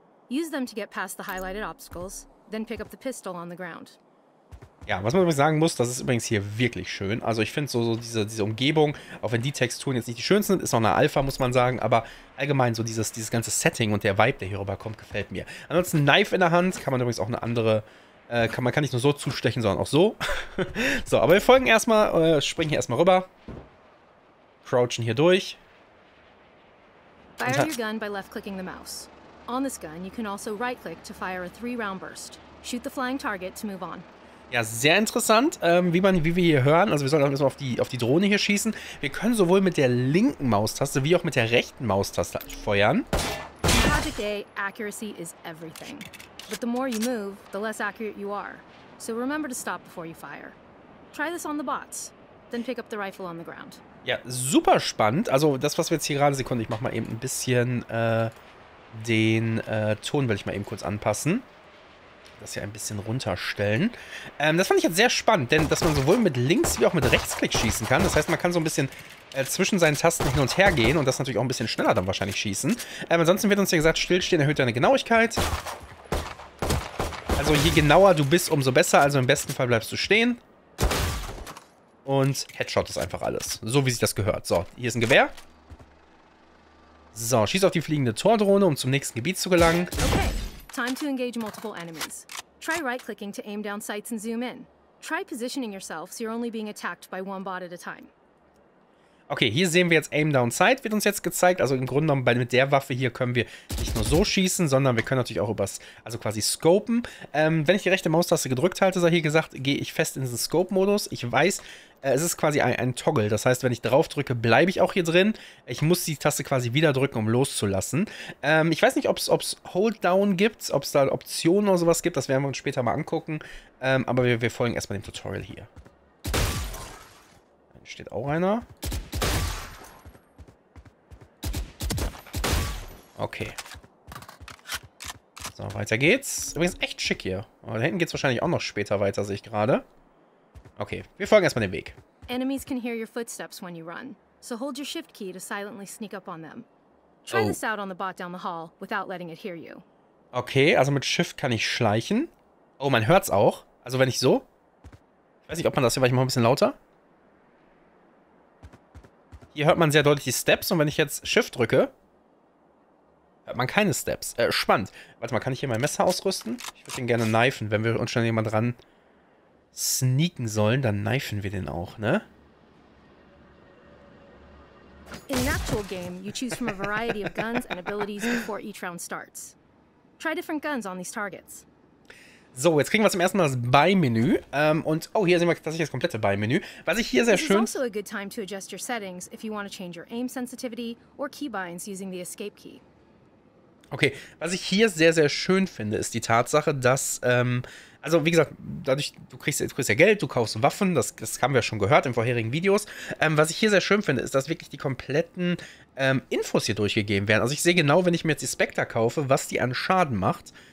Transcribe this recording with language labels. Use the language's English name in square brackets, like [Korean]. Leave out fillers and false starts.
[English] Use them to get past the highlighted obstacles. Then pick up the pistol on the ground. [German] Ja, was man sagen muss, das ist übrigens hier wirklich schön. Also ich finde so diese Umgebung, auch wenn die Texturen jetzt nicht die schönsten sind, ist noch eine Alpha, muss man sagen, aber allgemein so dieses ganze Setting und der Vibe, der hier rüberkommt, gefällt mir. Ansonsten Knife in der Hand, kann man übrigens auch eine andere, man kann nicht nur so zustechen, sondern auch so. So, aber wir folgen erstmal, springen hier erstmal rüber. Crouchen hier durch. [English] Fire your gun by left-clicking the mouse. On this gun, you can also right-click to fire a 3-round burst. Shoot the flying target to move on. [German] Ja, sehr interessant, wie wir hier hören. Also wir sollen auch erstmal auf die Drohne hier schießen. Wir können sowohl mit der linken Maustaste wie auch mit der rechten Maustaste feuern. [English] In Project A, accuracy is everything. But the more you move, the less accurate you are. So remember to stop before you fire. Try this on the bots, then pick up the rifle on the ground. [German] Ja, super spannend. Also das, was wir jetzt hier gerade... Sekunde, ich mach mal eben ein bisschen, Den Ton will ich mal eben kurz anpassen. Das hier ein bisschen runterstellen. Das fand ich jetzt sehr spannend, denn dass man sowohl mit links wie auch mit rechtsklick schießen kann. Das heißt, man kann so ein bisschen zwischen seinen Tasten hin und her gehen und das natürlich auch ein bisschen schneller dann wahrscheinlich schießen. Ansonsten wird uns ja gesagt, stillstehen erhöht deine Genauigkeit. Also je genauer du bist, umso besser. Also im besten Fall bleibst du stehen. Und Headshot ist einfach alles. So wie sich das gehört. So, hier ist ein Gewehr. So, schieß auf die fliegende Tordrohne, um zum nächsten Gebiet zu gelangen. [English] Okay, time to engage multiple enemies. Try right-clicking to aim down sights and zoom in. Try positioning yourself, so you're only being attacked by one bot at a time. [German] Okay, hier sehen wir jetzt Aim Down Sight, wird uns jetzt gezeigt. Also im Grunde genommen, mit der Waffe hier können wir nicht nur so schießen, sondern wir können natürlich auch übers, also quasi scopen. Wenn ich die rechte Maustaste gedrückt halte, sei hier gesagt, gehe ich fest in den Scope-Modus. Ich weiß, es ist quasi ein Toggle. Das heißt, wenn ich drauf drücke, bleibe ich auch hier drin. Ich muss die Taste quasi wieder drücken, um loszulassen. Ich weiß nicht, ob es Hold Down gibt, ob es da Optionen oder sowas gibt. Das werden wir uns später mal angucken. Aber wir folgen erstmal dem Tutorial hier. Da steht auch einer. Okay. So, weiter geht's. Übrigens echt schick hier. Aber da hinten geht's wahrscheinlich auch noch später weiter, sehe ich gerade. Okay, wir folgen erstmal dem Weg. [English] Enemies can hear your footsteps when you run. So hold your shift key to silently sneak up on them. Try this out on the bot down the hall without letting it hear you. [German] Okay, also mit Shift kann ich schleichen. Oh, man hört's auch. Also wenn ich so. Ich weiß nicht, ob man das hier, weil ich mache ein bisschen lauter. Hier hört man sehr deutlich die Steps und wenn ich jetzt Shift drücke. Hört man keine Steps. Spannend. Warte mal, kann ich hier mein Messer ausrüsten? Ich würde den gerne knifen. Wenn wir uns schon jemand ran sneaken sollen, dann knifen wir den auch, ne? [English] In an actual game, you choose from a variety of guns and abilities before each round starts. Try different guns on these targets. [German] So, jetzt kriegen wir zum ersten Mal das Beimenü. Hier sehen wir tatsächlich das komplette Beimenü. Was ich hier sehr schön. [English] Also a good time to adjust your settings if you want to change your aim sensitivity or keybinds using the escape key. [German] Okay, was ich hier sehr, sehr schön finde, ist die Tatsache, dass, also wie gesagt, dadurch, du kriegst ja Geld, du kaufst Waffen, das haben wir schon gehört in vorherigen Videos. Was ich hier sehr schön finde, ist, dass wirklich die kompletten Infos hier durchgegeben werden. Also ich sehe genau, wenn ich mir jetzt die Spectre kaufe, was die an Schaden macht.